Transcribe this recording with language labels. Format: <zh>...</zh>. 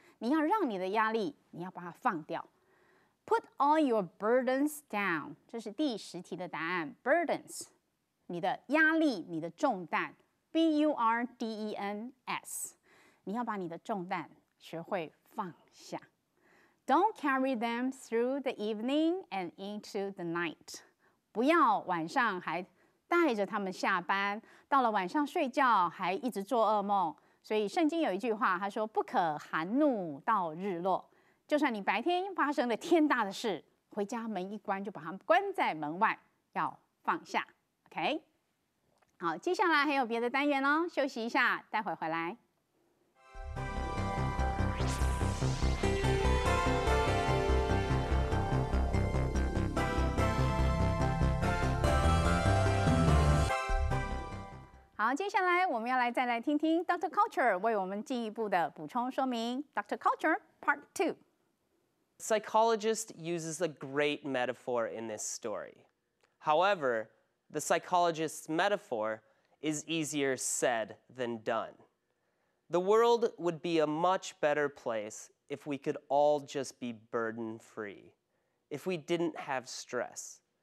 <zh>你要让你的压力，你要把它放掉。 Put all your burdens down，这是第十题的答案。 Burdens， 你的压力，你的重担。</zh> <en>B-U-R-D-E-N-S。</en> <zh>你要把你的重担学会放下。</zh> <en>Don't carry them through the evening and into the night.</en> <zh>不要晚上还带着他们下班，到了晚上睡觉还一直做噩梦。所以圣经有一句话，他说不可含怒到日落。就算你白天发生了天大的事，回家门一关就把他们关在门外，要放下。 OK， 好，接下来还有别的单元哦，休息一下，待会回来。好，接下来我们要来再来听听 Dr. Culture 为我们进一步的补充说明。Dr. Culture Part 2。</zh> <en>Psychologist uses a great metaphor in this story. However, the psychologist's metaphor is easier said than done. The world would be a much better place if we could all just be burden-free, if we didn't have stress.</en>